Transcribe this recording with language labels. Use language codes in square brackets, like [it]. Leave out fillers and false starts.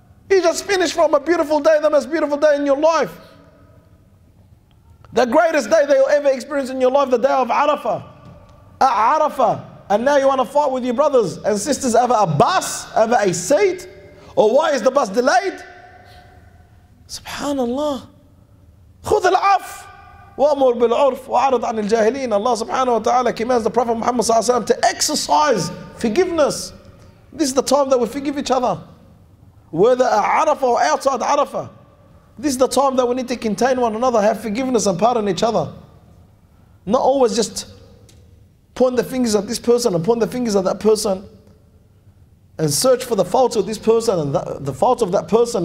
[en] You just finished from a beautiful day, the most beautiful day in your life. The greatest day that you'll ever experience in your life, the day of Arafah. At Arafah. And now you want to fight with your brothers and sisters over a bus, over a seat? Or why is the bus delayed? Subhanallah. [ar] خذ العف وأمر بالعرف وأعرض عن الجاهلين. [en] Allah subhanahu wa ta'ala commands the Prophet Muhammad sallallahu alayhi wa sallam to exercise forgiveness. This is the time that we forgive each other. Whether at Arafah or outside Arafah. This is the time that we need to contain one another, have forgiveness and pardon each other. Not always just point the fingers at this person and point the fingers at that person and search for the faults of this person and the faults of that person.